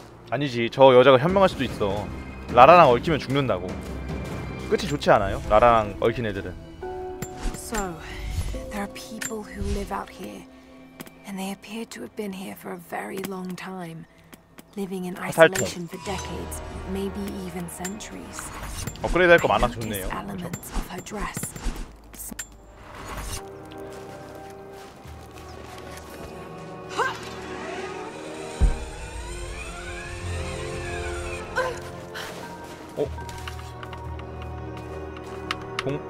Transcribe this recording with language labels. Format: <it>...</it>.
<ko>아니지, 저 여자가 현명할 수도 있어. 라라랑 얽히면 죽는다고. 끝이 좋지 않아요? 라라랑 얽힌 애들은.</ko> <en>So, there are people who live out here. And they appeared to have been here for a very long time, living in isolation for decades, maybe even centuries.</en> <ko>업그레이드 할 거 많아 좋네요. 그렇죠. 어?</ko>